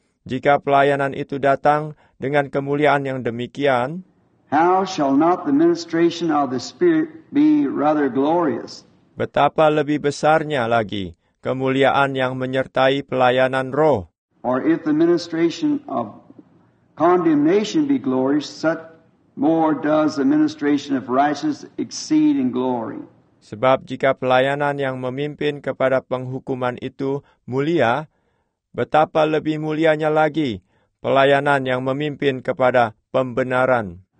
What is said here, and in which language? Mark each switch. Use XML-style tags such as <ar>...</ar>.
<id>Jika pelayanan itu datang dengan kemuliaan yang demikian,</id> <en>how shall not the ministration of the Spirit be rather glorious?</en> <id>Betapa lebih besarnya lagi kemuliaan yang menyertai pelayanan Roh.</id> <en>Or if the ministration of condemnation be glorious, such more does the ministration of righteousness exceed in glory.</en> <id>Sebab jika pelayanan yang memimpin kepada penghukuman itu mulia, betapa lebih mulianya lagi pelayanan yang memimpin kepada pembenaran.</id>